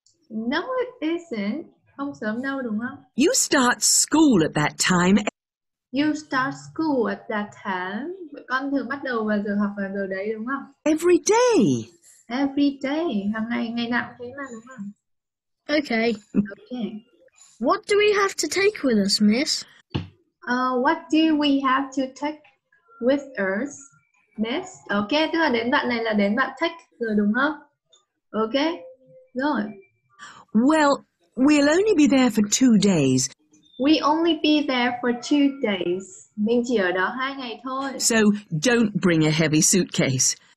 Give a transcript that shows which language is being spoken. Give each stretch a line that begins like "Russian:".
English: No, it isn't.
Vietnamese: Không sớm đâu đúng không?
English: You start school at that time. You start school at that time.
Vietnamese: Con thường bắt đầu vào giờ học vào giờ đấy đúng không?
English: Every day. Every day.
Vietnamese: Hàng ngày, ngày nào thế mà đúng không?
English: Okay. Okay. What do we have to take with us, miss? What do we have to take with us, miss?
Vietnamese: Okay, tức là đến đoạn này là đến đoạn take rồi đúng không?
English: Okay. Rồi. Well, we'll only be there for 2 days. We only be there for 2 days.
Vietnamese: Mình chỉ ở đó 2 ngày thôi.
English: So don't bring a heavy suitcase.